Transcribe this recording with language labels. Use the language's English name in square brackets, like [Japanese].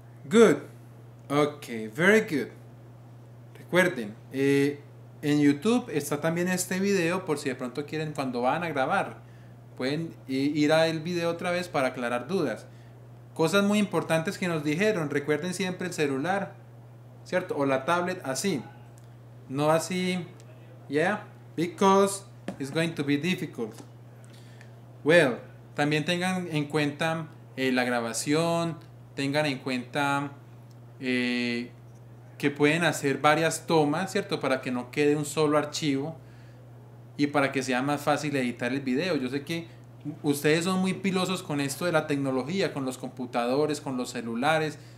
[English] Good. Okay, very good. [Spanish] Recuerden, en YouTube está también este video por si de pronto quieren, cuando van a grabar, pueden ir al video otra vez para aclarar dudas. Cosas muy importantes que nos dijeron, recuerden siempre el celular, ¿cierto? O la tablet así. No así, [English] yeah, because it's going to be difficult. [Spanish] Well, también tengan en cuenta la grabación, tengan en cuenta que pueden hacer varias tomas, ¿cierto? Para que no quede un solo archivo y para que sea más fácil editar el video. Yo sé que ustedes son muy pilosos con esto de la tecnología, con los computadores, con los celulares.